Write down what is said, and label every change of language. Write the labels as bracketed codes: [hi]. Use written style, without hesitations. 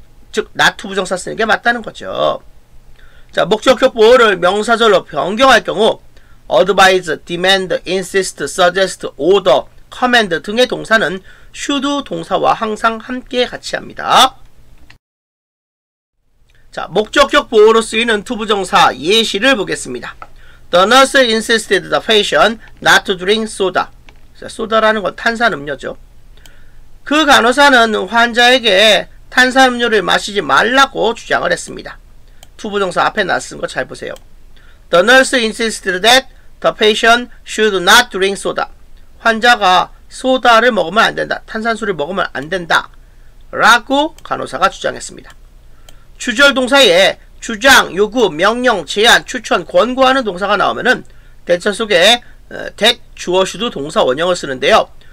[ko] 즉 not to 부정사 쓰는 게 맞다는 거죠. 자, 목적격 보어를 명사절로 변경할 경우 advise, demand, insist, suggest, order, command 등의 동사는 should 동사와 항상 함께 같이 합니다. 자, 목적격 보어로 쓰이는 to 부정사 예시를 보겠습니다. [en] The nurse insisted the patient not to drink soda. [ko] 자, 소다라는 건 탄산음료죠. 그 간호사는 환자에게 탄산음료를 마시지 말라고 주장을 했습니다. to 부정사 앞에 나선 거 잘 보세요. [en] The nurse insisted that the patient should not drink soda. [ko] 환자가 소다를 먹으면 안 된다. 탄산수를 먹으면 안 된다. 라고 간호사가 주장했습니다. 주절 동사에 주장, 요구, 명령, 제안, 추천, 권고하는 동사가 나오면은 대처 속에 that, 주어, should 동사 원형을 쓰는데요.